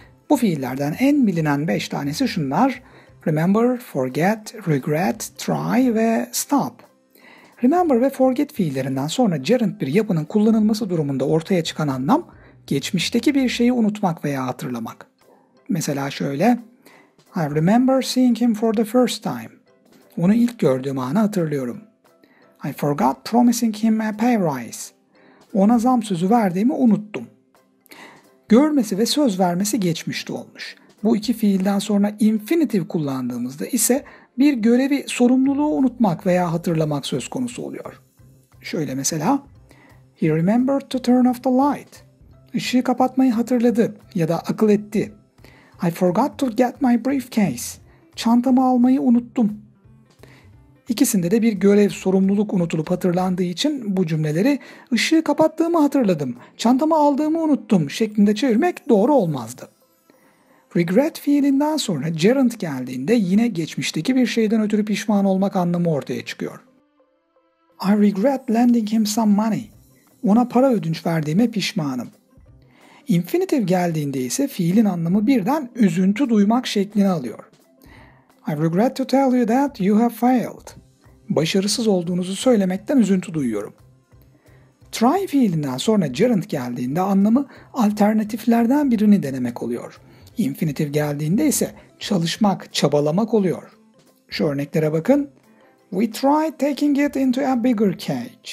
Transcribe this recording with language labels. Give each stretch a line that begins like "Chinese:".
Turkish: Bu fiillerden en bilinen 5 tanesi şunlar. Remember, forget, regret, try ve stop. Remember ve forget fiillerinden sonra gerund bir yapının kullanılması durumunda ortaya çıkan anlam, geçmişteki bir şeyi unutmak veya hatırlamak. Mesela şöyle.
English: I remember seeing him for the first time.
Turkish: Onu ilk gördüğüm anı hatırlıyorum.
English: I forgot promising him a pay rise.
Turkish: Ona zam sözü verdiğimi unuttum. Görmesi ve söz vermesi geçmişte olmuş. Bu iki fiilden sonra infinitive kullandığımızda ise bir görevi, sorumluluğu unutmak veya hatırlamak söz konusu oluyor. Şöyle mesela,
English: He remembered to turn off the light.
Turkish: Işığı kapatmayı hatırladı ya da akıl etti.
English: I forgot to get my briefcase.
Turkish: Çantamı almayı unuttum. İkisinde de bir görev, sorumluluk unutulup hatırlandığı için bu cümleleri ışığı kapattığımı hatırladım, çantamı aldığımı unuttum şeklinde çevirmek doğru olmazdı. Regret fiilinden sonra gerund geldiğinde yine geçmişteki bir şeyden ötürü pişman olmak anlamı ortaya çıkıyor.
English: I regret lending him some money.
Turkish: Ona para ödünç verdiğime pişmanım. Infinitive geldiğinde ise fiilin anlamı birden üzüntü duymak şeklini alıyor.
English: I regret to tell you that you have failed.
Turkish: Başarısız olduğunuzu söylemekten üzüntü duyuyorum. Try fiilinden sonra gerund geldiğinde anlamı alternatiflerden birini denemek oluyor. Infinitive geldiğinde ise çalışmak, çabalamak oluyor. Şu örneklere bakın.
English: We tried taking it into a bigger cage.